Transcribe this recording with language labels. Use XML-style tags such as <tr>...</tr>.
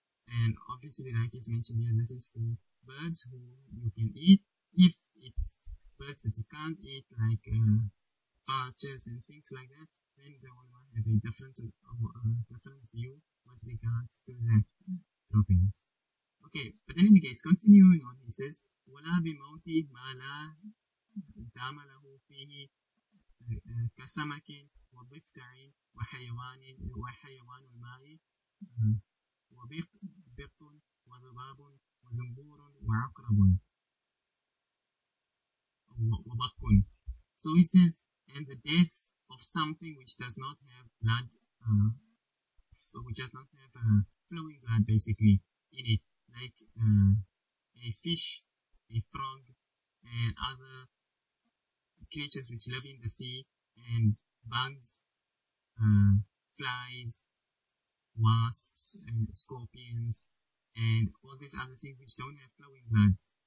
<en>And obviously, like it's mentioned here, this is for birds who you can eat. If it's birds that you can't eat, like vultures and things like that, then they will not have a different view with regards to their droppings. Okay, but in any case, continuing on, he says,</en> <ar>وَلَا بِمَوْتِ مَا لَا دَامَ لَهُ فِيهِ كَسَمَكٍ وَبِقْتَعٍ وَحَيَوَانُ الْمَاءِ وَبِقٌ وَذُبَابٌ وَزُنْبُورٌ وَعَقْرَبٌ وَبَقٌ.</ar> <en>So he says, and the death of something which does not have blood, which does not have flowing blood, basically, in it. Like a fish, a frog, and other creatures which live in the sea, and bugs, flies, wasps, and scorpions, and all these other things which don't have flowing blood.</en>